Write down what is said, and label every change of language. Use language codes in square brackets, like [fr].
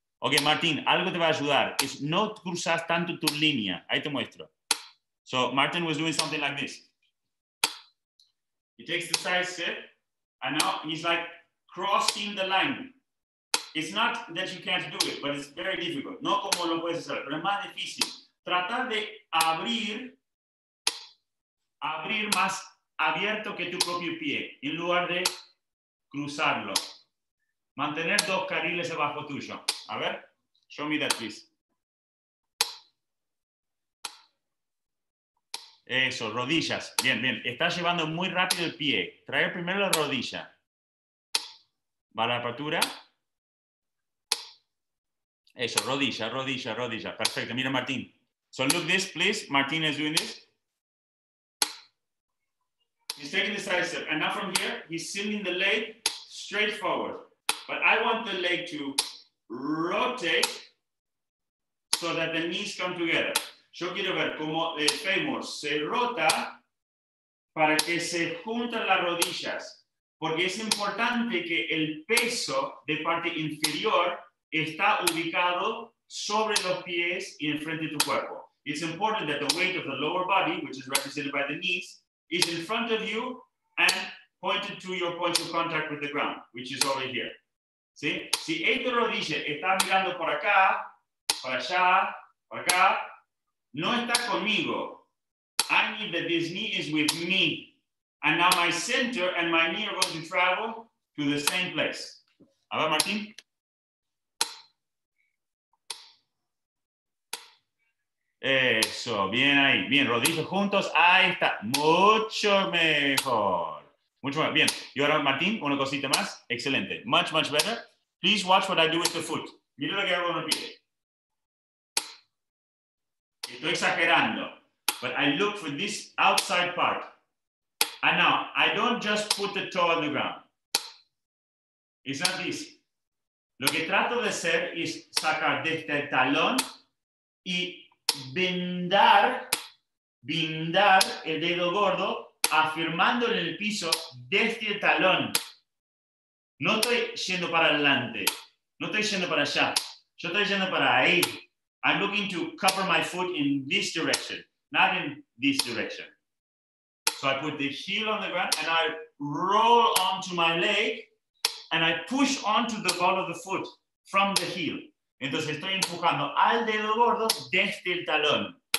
[es] Okay, Martin, algo te va a ayudar. Es no cruzas tanto tu línea. Ahí te muestro. [en] So, Martin was doing something like this. He takes the side step, and now he's like crossing the line. It's not that you can't do it, but it's very difficult. [es] No como lo puedes hacer, pero es más difícil. Tratar de abrir más abierto que tu propio pie, en lugar de cruzarlo. Mantener dos carriles debajo tuyo. A ver, [en] show me that, please. [es] Eso, rodillas. Bien, bien. Estás llevando muy rápido el pie. Trae primero la rodilla. Va a la apertura. [en] Eso, rodilla. Perfecto. Mira, Martín. So look this, please. Martín is doing this. He's taking the side step. And now from here, he's sending the leg straight forward. But I want the leg to rotate so that the knees come together. [es] Yo quiero ver cómo el fémur se rota para que se junten las rodillas. Porque es importante que el peso de parte inferior está ubicado sobre los pies y en frente de tu cuerpo. [en] It's important that the weight of the lower body, which is represented by the knees, is in front of you and pointed to your point of contact with the ground, which is over here. [es] ¿Sí? Si esta rodilla está mirando por acá, para allá, por acá, no está conmigo. [en] I need that this knee is with me. And now my center and my knee are going to travel to the same place. [es] A ver, Martín. Eso, bien ahí. Bien, rodillas juntos. Ahí está. Mucho mejor. Mucho más. Bien. Y ahora, Martín, una cosita más. Excelente. [en] Much, much better. Please watch what I do with the foot. [es] Mira lo que hago con el pie. Estoy exagerando. [en] But I look for this outside part. And now, I don't just put the toe on the ground. It's not this. [es] Lo que trato de hacer es sacar desde el talón y bendar el dedo gordo afirmando en el piso desde el talón. No estoy yendo para adelante. No estoy yendo para allá. Yo estoy yendo para ahí. [en] I'm looking to cover my foot in this direction, not in this direction. So I put the heel on the ground and I roll onto my leg and I push onto the ball of the foot from the heel. [es] Entonces estoy empujando al dedo gordo desde el talón.